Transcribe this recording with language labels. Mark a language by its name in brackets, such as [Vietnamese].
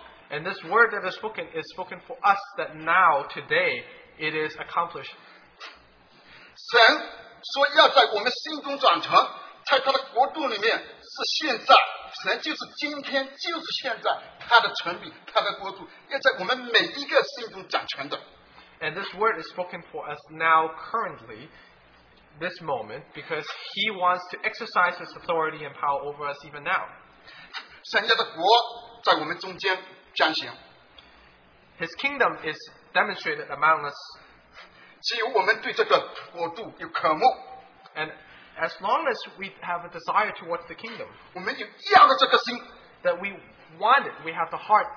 [English] and this word that is spoken for us that now, today, it is accomplished. [Chinese] 神说要在我们心中转成, 在他的国度里面是现在，神就是今天，就是现在，他的权柄，他的国度要在我们每一个心中掌权的。 [English] And this word is spoken for us now, currently, this moment, because He wants to exercise His authority and power over us even now. [Chinese] 神的国在我们中间彰显。 [English] His kingdom is demonstrated among us. [Chinese] 只有我们对这个国度有渴慕。 [English] And as long as we have a desire towards the kingdom, [Chinese] 我们有要的这个心, [English] that we want it, we have the heart,